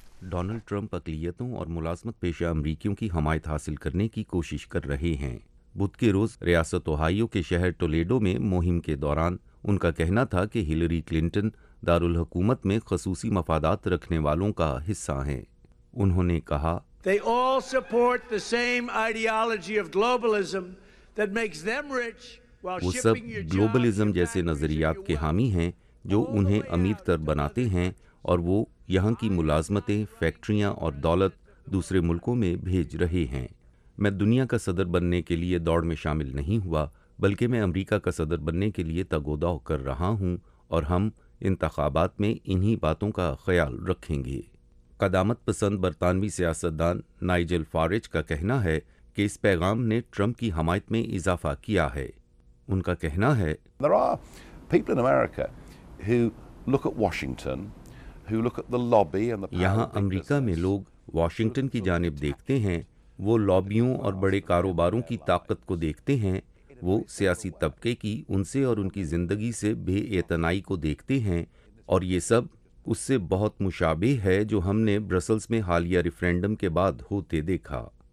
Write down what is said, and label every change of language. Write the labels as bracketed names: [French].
[Urdu] Donald Trump اقلیتوں اور ملازمت پیشہ امریکیوں کی حمایت حاصل کرنے کی کوشش کر رہے ہیں۔ بدھ کے روز ریاست اوہائیو کے شہر ٹولیڈو میں مہم کے دوران ان کا کہنا تھا کہ ہلری کلنٹن دارالحکومت میں خصوصی مفادات رکھنے والوں کا حصہ ہیں۔ انہوں نے کہا، [English] They all support the same ideology of globalism that makes them rich while shipping your jobs. [Urdu] وہ سب گلوبلزم جیسے نظریات کے حامی ہیں جو انہیں امیر تر بناتے ہیں، اور وہ یہاں کی ملازمتیں، فیکٹریاں اور دولت دوسرے ملکوں میں بھیج رہے ہیں۔ میں دنیا کا صدر بننے کے لیے دوڑ میں شامل نہیں ہوا، بلکہ میں امریکہ کا صدر بننے کے لیے تگوداؤ کر رہا ہوں، اور ہم انتخابات میں انہی باتوں کا خیال رکھیں گے۔ قدامت پسند برطانوی سیاستدان نائجل فارج کا کہنا ہے کہ اس پیغام نے ٹرمپ کی حمایت میں اضافہ کیا ہے۔ ان کا کہنا ہے، [English] There are people in America who look at Washington, who look at the lobby and the [Urdu] یہاں امریکہ میں لوگ واشنگٹن کی جانب دیکھتے ہیں، وہ لابیوں اور بڑے کاروباروں کی طاقت کو دیکھتے ہیں، وہ سیاسی طبقے کی ان سے اور ان کی زندگی سے بے اعتنائی کو دیکھتے ہیں، اور یہ سب اس سے بہت مشابہ ہے جو ہم نے برسلز میں حالیہ ریفرینڈم کے بعد ہوتے دیکھا۔